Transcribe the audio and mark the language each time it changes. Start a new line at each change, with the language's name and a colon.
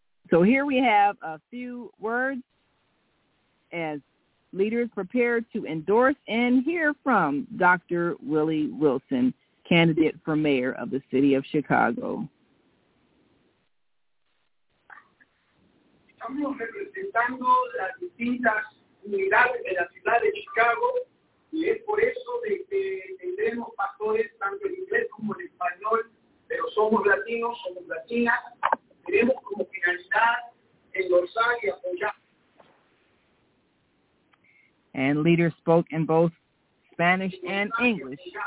English: So here we have a few words as leaders prepare to endorse and hear from Dr. Willie Wilson, candidate for mayor of the city of Chicago.
Spanish: Estamos representando las distintas unidades de la ciudad de Chicago y es por eso de que tendremos pastores tanto en inglés como en español, pero somos latinos, somos latinas, tenemos como finalidad endorsar y apoyar.
English: And leaders spoke in both Spanish and English.